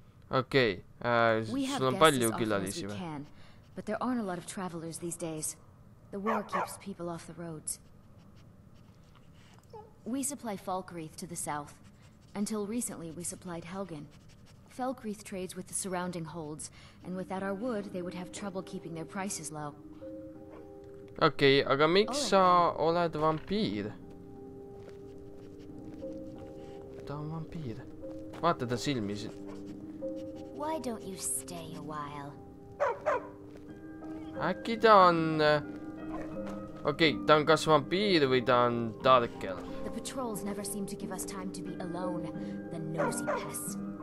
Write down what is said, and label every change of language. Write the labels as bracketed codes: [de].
[et] Okei, sul on palju külalisi või? [en] But there aren't a lot of travelers these days. The war keeps people off the roads. We supply Falkreath to the south. Until recently we supplied Helgen. Falkreath trades with the surrounding holds, and without our wood they would have trouble keeping their prices low. [et] Okei, aga miks sa oled vampiir? Ta on vampiir. Vaata ta silmisid. [en] Why don't you stay a while? [et] Äkki ta on... Okei, ta on kas vampiir või ta on dark elf. [en] The patrols never seem to give us time to be alone, the nosy pests.